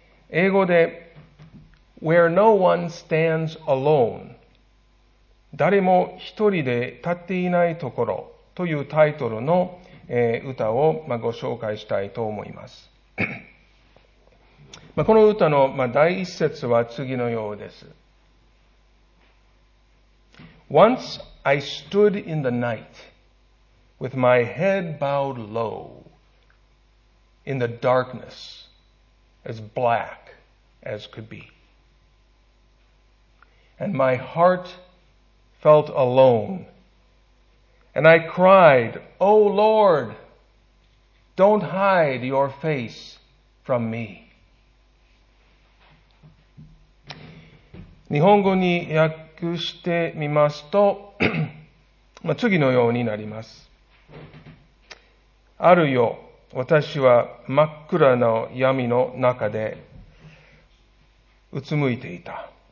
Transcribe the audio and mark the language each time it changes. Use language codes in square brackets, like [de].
[ja] 英語で [en] Where no one stands alone、 [ja] 誰も一人で立っていないところというタイトルの歌をご紹介したいと思います。この歌の第一節は次のようです。 [en] Once I stood in the night with my head bowed low in the darkness as black as could be. And my heart felt alone. And I cried, Oh Lord, don't hide your face from me. [ja] 日本語に訳してみますと、次のようになります。ある夜、私は真っ暗の闇の中でうつむいていた。